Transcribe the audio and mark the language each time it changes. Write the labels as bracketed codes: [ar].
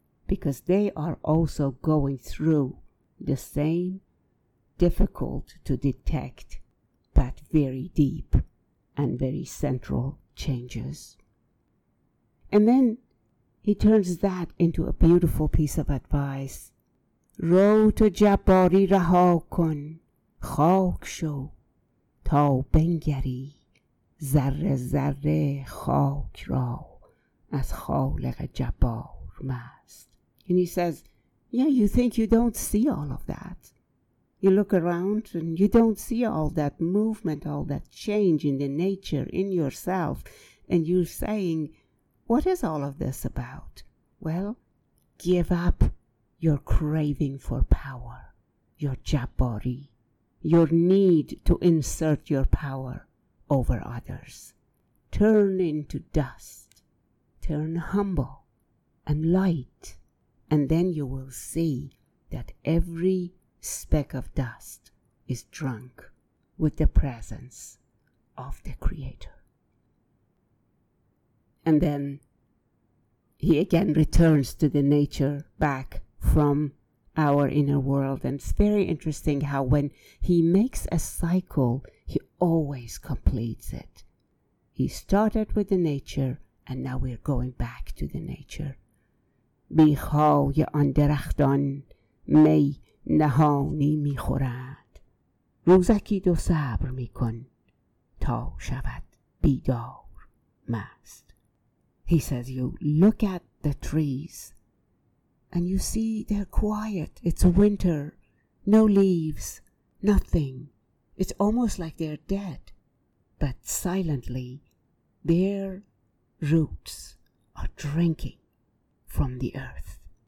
[en] Because they are also going through the same difficult to detect but very deep and very central changes. And then he turns that into a beautiful piece of advice. [fa] رو تو جباری رها کن خاک شو تا بنگری ذره ذره خاک را از خالق جبار مست. [en] And he says, yeah, you think you don't see all of that. You look around and you don't see all that movement, all that change in the nature, in yourself. And you're saying, what is all of this about? Well, give up your craving for power, your jabari, your need to insert your power over others. Turn into dust, turn humble and light. And then you will see that every speck of dust is drunk with the presence of the Creator. And then he again returns to the nature back from our inner world. And it's very interesting how when he makes a cycle, he always completes it. He started with the nature, and now we're going back to the nature. [fa] بیخای آن درختان می نهانی میخورد روزکی دو صبر میکن تا شود بیدار مست. [en] He says, you look at the trees and you see they're quiet. It's winter, no leaves, nothing. It's almost like they're dead, but silently their roots are drinking from the earth.